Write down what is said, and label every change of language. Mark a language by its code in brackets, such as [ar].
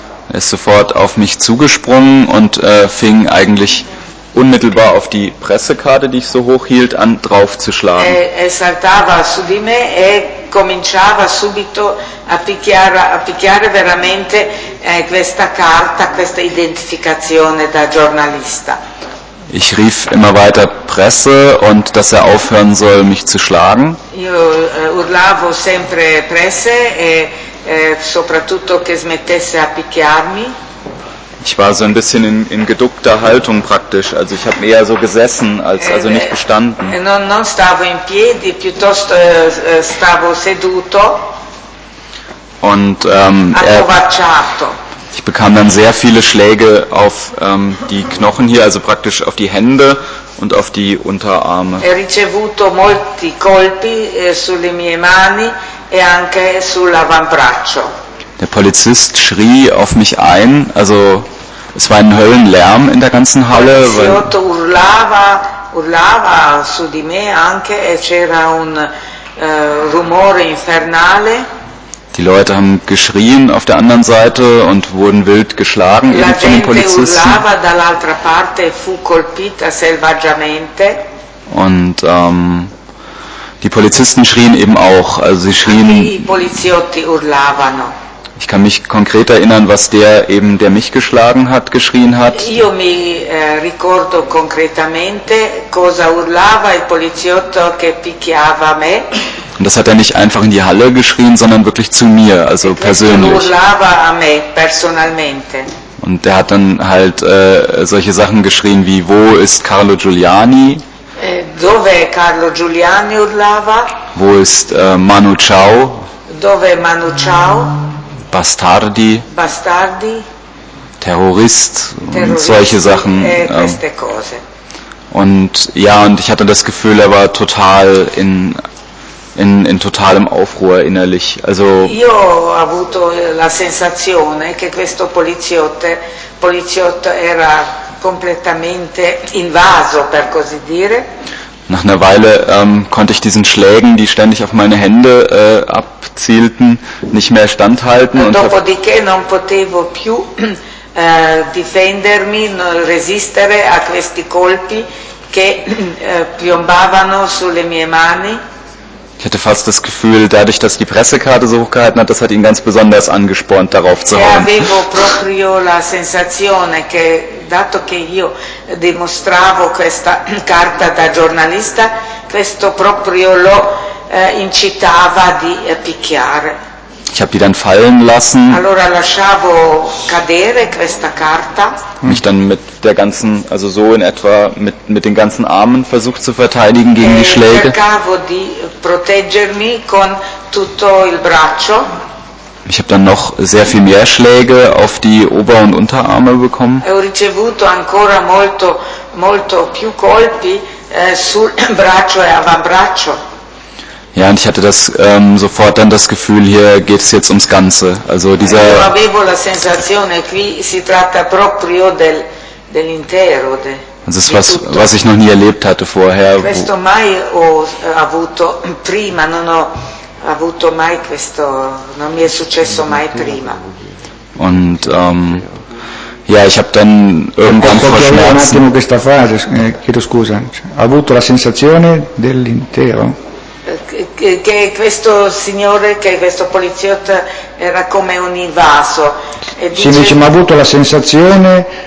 [de] Er ist sofort auf mich zugesprungen und fing eigentlich unmittelbar auf die Pressekarte, die ich so hoch hielt, an drauf zu schlagen. [it] Er saltava su di me e cominciava subito a picchiare veramente questa carta, questa identificazione da giornalista. [de] Ich rief immer weiter Presse und dass er aufhören soll, mich zu schlagen. [it] Io urlavo sempre Presse e soprattutto che smettesse a picchiarmi. [de] Ich war so ein bisschen in geduckter Haltung praktisch, also ich habe eher so gesessen, also nicht gestanden. [it] Non stavo in piedi, piuttosto stavo seduto. [de] Und [it] accovacciato. [de] Ich bekam dann sehr viele Schläge auf die Knochen hier, also praktisch auf die Hände und auf die Unterarme. [it] Ho ricevuto molti colpi sulle mie mani e anche sull'avambraccio. [de] Der Polizist schrie auf mich ein, also es war ein Höllenlärm in der ganzen Halle. [it] Il poliziotto urlava su di me anche e c'era un rumore infernale. [de] Die Leute haben geschrien auf der anderen Seite und wurden wild geschlagen, eben von den Polizisten. [it] La gente urlava dall'altra parte e fu colpita selvaggiamente. [de] Und die Polizisten schrien eben auch, also sie schrien. [it] I poliziotti urlavano. [de] Ich kann mich konkret erinnern, was der eben, der mich geschlagen hat, geschrien hat. [it] Io mi ricordo concretamente cosa urlava il poliziotto che picchiava me. [de] Und das hat er nicht einfach in die Halle geschrien, sondern wirklich zu mir, also persönlich. [it] Urlava a me personalmente. [de] Und der hat dann halt solche Sachen geschrien wie, wo ist Carlo Giuliani? [it] Dove Carlo Giuliani urlava? [de] Wo ist Manu Chao? [it] Dove Manu Chao? Bastardi, Bastardi, [de] Terrorist und solche Sachen. [it] Cose. [de] Und ja, und ich hatte das Gefühl, er war total in totalem Aufruhr innerlich. Also [it] io ho avuto la sensazione che questo poliziotto era completamente invaso, per così dire. [de] Nach einer Weile konnte ich diesen Schlägen, die ständig auf meine Hände abzielten, nicht mehr standhalten. [it] Und dopodiché non potevo più difendermi, non resistere a questi colpi che piombavano sulle mie mani. [de] Ich hatte fast das Gefühl, dadurch, dass die Pressekarte so hochgehalten hat, das hat ihn ganz besonders angespornt, darauf zu hauen. [it] Avevo proprio la sensazione che, dato che io dimostravo questa carta da giornalista, questo proprio lo incitava di picchiare. [de] Ich habe die dann fallen lassen. [it] Allora lasciavo cadere questa carta. [de] Mich dann mit der ganzen, also so in etwa mit den ganzen Armen versucht zu verteidigen gegen die Schläge. [it] Cercavo di proteggermi con tutto il braccio. [de] Ich habe dann noch sehr viel mehr Schläge auf die Ober- und Unterarme bekommen. [it] Ho ricevuto ancora molto molto più colpi sul braccio e avambraccio. [de] Ja, und ich hatte das sofort dann das Gefühl, hier geht es jetzt ums Ganze. Also dieser. [it] Io avevo la sensazione qui si tratta proprio dell'intero. [de] Das ist was, was ich noch nie erlebt hatte vorher. [it] Questo mai ho avuto prima, non ho avuto mai questo, non mi è successo mai prima. [de] Und ja, ich habe dann irgendwann vor Schmerzen. [it] Un attimo questa frase, chiedo scusa. Ho avuto la sensazione dell'intero. Che questo signore, che questo poliziotto era come un invaso. E dice, sì, dice, ma ha avuto la sensazione.